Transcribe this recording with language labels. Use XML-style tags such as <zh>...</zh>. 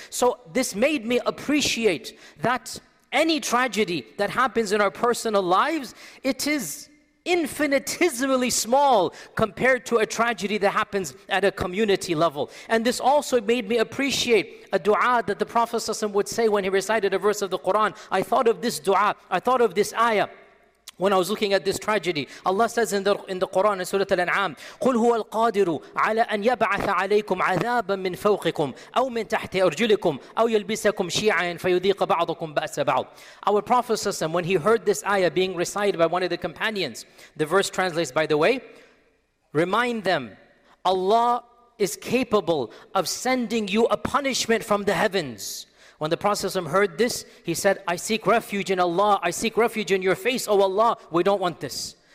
<en>So this made me appreciate that any tragedy that happens in our personal lives, it is infinitesimally small compared to a tragedy that happens at a community level. And this also made me appreciate a dua that the Prophet ﷺ would say when he recited a verse of the Quran. I thought of this dua, I thought of this ayah when I was looking at this tragedy. Allah says in the Quran, in Surah Al-An'am,</en> <ar>قُلْ هُوَ الْقَادِرُ عَلَىٰ أَنْ يَبْعَثَ عَلَيْكُمْ عَذَابًا مِّنْ فَوْقِكُمْ أَوْ مِّنْ تَحْتِ أَرْجُلِكُمْ أَوْ يَلْبِسَكُمْ شِيعًا فَيُذِيقَ بَعْضُكُمْ بَأْسَ بَعْضٍ.</ar> <en>Our Prophet ﷺ, when he heard this ayah being recited by one of the companions, the verse translates, by the way, remind them, Allah is capable of sending you a punishment from the heavens. When the Prophet ﷺ heard this, he said, I seek refuge in Allah, I seek refuge in your face, O Allah, we don't want this.</en>